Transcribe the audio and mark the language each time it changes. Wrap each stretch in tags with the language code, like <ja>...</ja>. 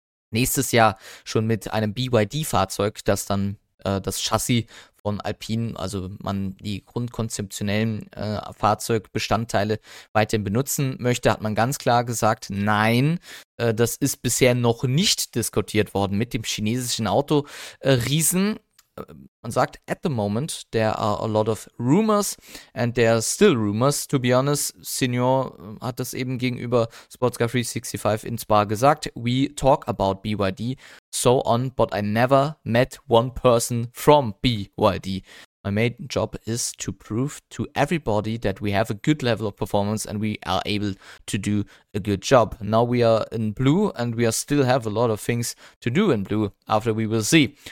<de>nächstes Jahr schon mit einem BYD-Fahrzeug, das dann das Chassis von Alpine, also man die grundkonzeptionellen Fahrzeugbestandteile weiterhin benutzen möchte, hat man ganz klar gesagt, nein, das ist bisher noch nicht diskutiert worden mit dem chinesischen Autoriesen. Man sagt,</de> <en>at the moment, there are a lot of rumors and there are still rumors. To be honest,</en> <de>Senior hat das eben gegenüber Sportscar 365 in Spa gesagt.</de> <en>We talk about BYD, so on, but I never met one person from BYD. My main job is to prove to everybody that we have a good level of performance and we are able to do a good job. Now we are in blue and we are still have a lot of things to do in blue after we will see.</en>